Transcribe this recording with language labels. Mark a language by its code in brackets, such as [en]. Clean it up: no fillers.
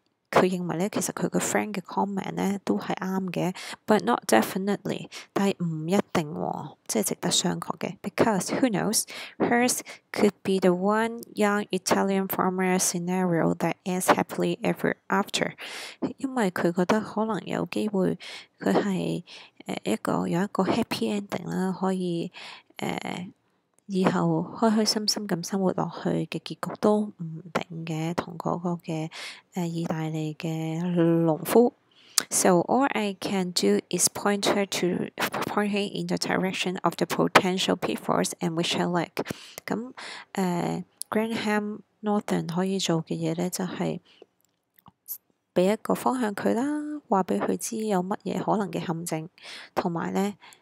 [yue] 她認為呢，其實她的 friend 的 comment 呢都是對的， [en] but not definitely， [yue] 但是不一定，即是值得商榷的。 [en] Because, who knows, hers could be the one young Italian farmer scenario that ends happily ever after. [yue] 因為她覺得可能有機會她是有一個 happy ending， 可以以後開開心心咁生活落去嘅結局都唔定嘅，同嗰個嘅意大利嘅農夫。 [en] So all I can do is point her in the direction of the potential pitfalls and wish her luck。 [yue] 咁Graham Norton 可以做嘅嘢咧，就係俾一個方向佢啦，話俾佢知有乜嘢可能嘅陷阱，同埋咧。